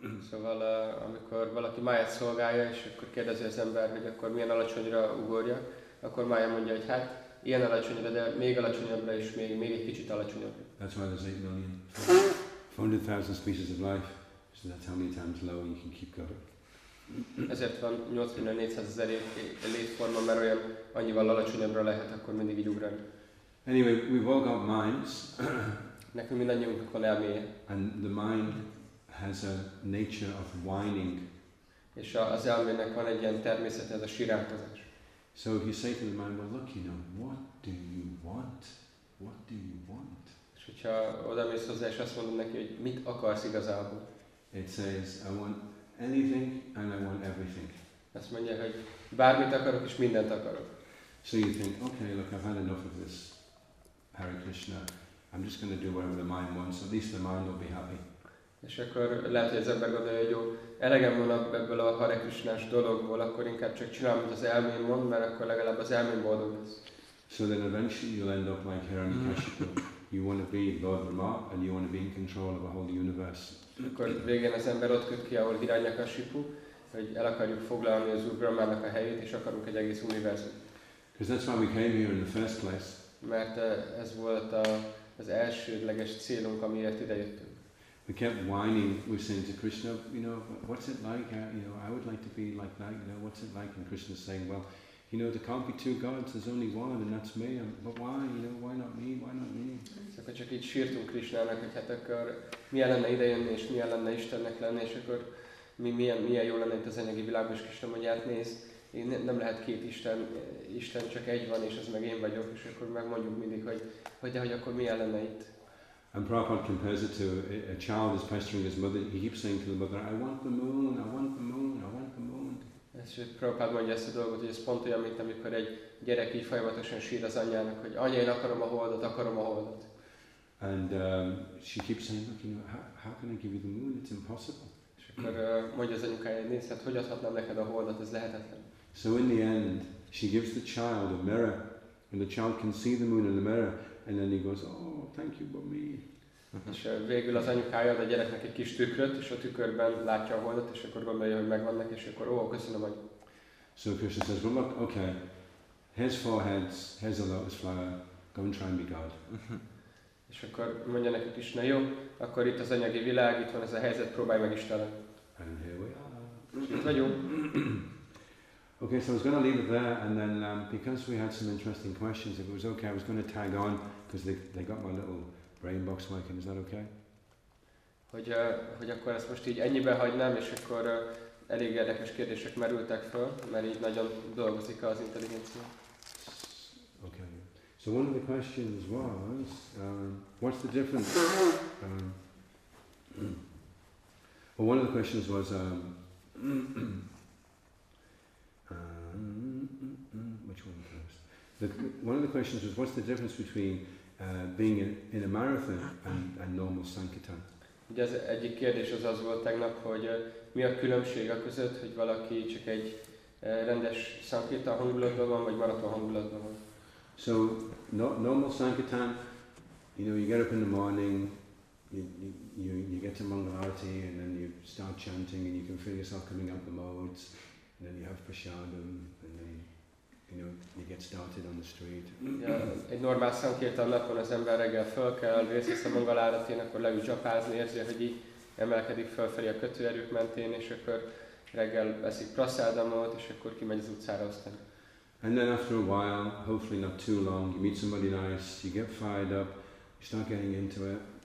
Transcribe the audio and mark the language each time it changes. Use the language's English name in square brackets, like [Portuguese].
[Hungarian] Szóval, amikor valaki Maya-t szolgálja, és akkor kérdezi az ember, hogy akkor milyen alacsonyra ugorja, akkor Maya mondja, hogy hát, ilyen alacsonyra, de még alacsonyabbra, és még egy kicsit alacsonyabbra. [English] That's why there's 8 million. 400,000 species of life, so that's how many times lower you can keep going. [Hungarian] Ezért van 8400 létforma, mert olyan annyival alacsonyabbra lehet, akkor mindig így ugrani. [English] Anyway, we've all got minds. [Hungarian] Nekünk mindannyiunknak van elméje. [English] And the mind has a nature of whining. [Hungarian] És az elmének van egy ilyen természet, ez a sírálkozás. [English] So if you say to the mind, well look, you know, what do you want? What do you want? [Hungarian] És hogyha oda mész hozzá, és azt mondod neki, hogy mit akarsz igazából? [English] It says, I want anything and I want everything. [Hungarian] Azt mondja, hogy bármit akarok és mindent akarok. [English] So you think, okay, look, I've had enough of this Hare Krishna. I'm just going to do whatever the mind wants. At least the mind will be happy. [Hungarian] És akkor lehet, hogy az ember gondolja, hogy jó, elegem van ebből a Hare Krishna-s dologból, akkor inkább csak csinálom, amit az elmém mond, mert akkor legalább az elmém boldog lesz. [English] So then eventually you'll end up like Hiranyakashipu. You want to be Lord Rama and you want to be in control of the whole universe. [Hungarian] Akkor végén az ember ott köt ki, ahol Hiranyakashipu, hogy el akarjuk foglalni az Úr Brahmának a helyét, és akarunk egy egész univerzum. [English] Because that's why we came here in the first place. [Hungarian] Mert ez volt az elsődleges célunk, amiért ide jöttünk. [English] We kept whining, we saying to Krishna, you know, what's it like? You know, I would like to be like that, you know, what's it like? And Krishna's saying, well, you know, there can't be two gods, there's only one, and that's me. But why, you know, why not me, why not me? [Hungarian] Akkor csak így sírtunk Krishnának, hogy hát akkor milyen lenne idejönni, és milyen lenne Istennek lenni, és akkor milyen jó lenne itt az anyagi világban, és Krishna mondja, hát nézd, nem lehet két Isten, csak egy van, és ez meg én vagyok, és akkor megmondjuk mindig, hogy de hogy akkor milyen lenne itt. [English] And Prabhupada compares it to a child is pestering his mother. He keeps saying to the mother, I want the moon, I want the moon, I want the moon. [Hungarian] És Prabhupada mondja ezt a dolgot, hogy ez pont olyan, mint amikor egy gyerek így folyamatosan sír az anyjának, hogy anya, én akarom a holdat, akarom a holdat. [English] And she keeps saying, look, you know, how can I give you the moon? It's impossible. [Hungarian] És akkor mondja az anyukája, nézd, hát hogy adhatnám neked a holdat, ez lehetetlen. [English] So in the end, she gives the child a mirror, and the child can see the moon in the mirror, and then he goes, oh, thank you, but me. [Hungarian] És végül az anyukája ad a gyereknek egy kis tükröt, és a tükörben látja a holdat, és akkor gondolja, hogy megvan neki, és akkor, ó, köszönöm, hogy... [English] So Krishna says, well, look, okay, here's four heads, here's a lotus flower, go and try and be God. [Hungarian] És akkor mondja neki Krishna, jó, akkor itt az anyagi világ, itt van ez a helyzet, próbálj meg Istenet. [English] And here we are. [Hungarian] És itt vagyunk. [English] Okay, so I was going to leave it there, and then because we had some interesting questions, if it was okay, I was going to tag on, because they got my little brain box working, is that okay? [Hungarian] Hogy akkor ezt most így ennyiben hagynám, és akkor elég érdekes kérdések merültek föl, mert így nagyon dolgozik az intelligencia. [English] Okay. So one of the questions was, what's the difference? Well, one of the questions was, which one first? One of the questions was, what's the difference between being in a marathon and normal sankirtan? [Hungarian] Ugye az egyik kérdés az volt tegnap, hogy mi a különbség a között, hogy valaki csak egy rendes sankirtan hangulatban van, vagy maraton hangulatban van. [English] So, normal sankirtan, you know, you get up in the morning, you get to Mangalarti, and then you start chanting, and you can feel yourself coming up the modes. And then you have prasadam, and then you know you get started on the street. [Hungarian] Yeah, egy normál szankirtan napon az ember reggel fölkel, vészesz a mangaláratén, akkor leül japázni, érzi, hogy így emelkedik fölfelé a kötőerők mentén, és akkor reggel veszik prasadamot, és akkor kimegy az utcára aztán. [English] And then after a while, hopefully not too long, you meet somebody nice, you get fired up, you start getting into it.